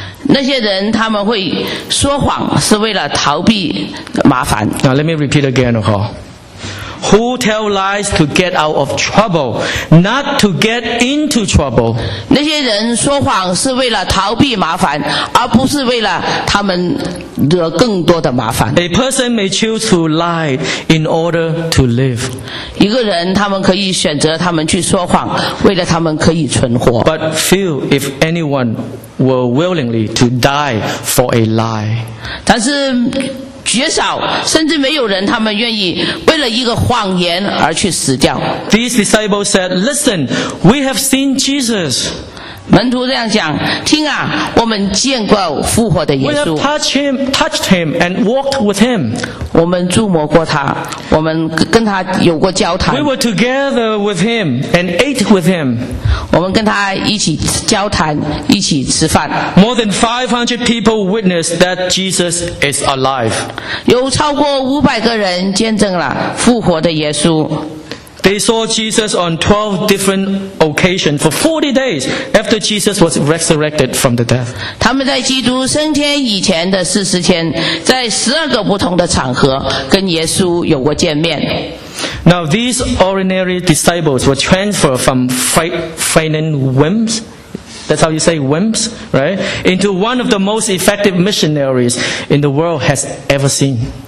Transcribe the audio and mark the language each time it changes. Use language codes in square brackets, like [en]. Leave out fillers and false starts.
[zh] 那些人他们会说谎是为了逃避麻烦。 [en] Now let me repeat again. who tell lies to get out of trouble, not to get into trouble. [zh] 那些人说谎是为了逃避麻烦，而不是为了他们惹更多的麻烦。 [en] A person may choose to lie in order to live. [zh] 一个人他们可以选择他们去说谎，为了他们可以存活。 [en] But few, if anyone, were willingly to die for a lie. [zh] 但是绝少，甚至没有人他们愿意为了一个谎言而去死掉。 [en] These disciples said, "Listen, we have seen Jesus." [zh] 门徒这样讲，听啊，我们见过复活的耶稣。 [en] We have touched him and walked with him. [zh] 我们触摸过他，我们跟他有过交谈。 [en] We were together with him and ate with him. [zh] 我们跟他一起交谈，一起吃饭。 [en] More than 500 people witnessed that Jesus is alive. [zh] 有超过500个人见证了复活的耶稣。 [en] They saw Jesus on 12 different occasions for 40 days after Jesus was resurrected from the death. [zh] 他们在基督升天以前的40天，在12个不同的场合跟耶稣有过见面。 [en] Now these ordinary disciples were transferred from frightened whims, that's how you say whims, right, into one of the most effective missionaries in the world has ever seen.